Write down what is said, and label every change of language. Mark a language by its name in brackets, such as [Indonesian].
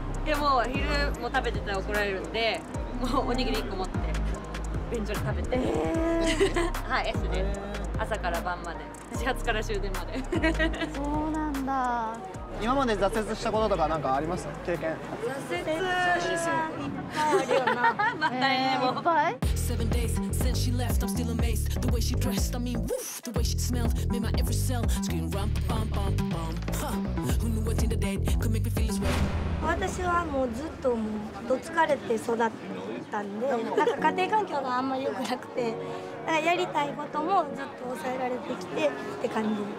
[Japanese] いや、もう昼も食べてたら怒られるんで、おにぎり1個持って便所で食べて、はい、 S で朝から晩まで、始発から終電まで。そうなんだ。今まで挫折したこととか何かありました、経験？挫折はいっぱいあるよな。またね、もいっぱい。 [English] 7 days since she left, I'm still amazed. The way she dressed, I mean, woof, the way she smelled, made my every cell scream, rum, bum, bum, bum. Huh? Who knew what Tinder date could make me feel this way? [Japanese] 私はもうずっともうどつかれて育ったんで、なんか家庭環境があんまり良くなくて、だからやりたいこともずっと抑えられてきてって感じ。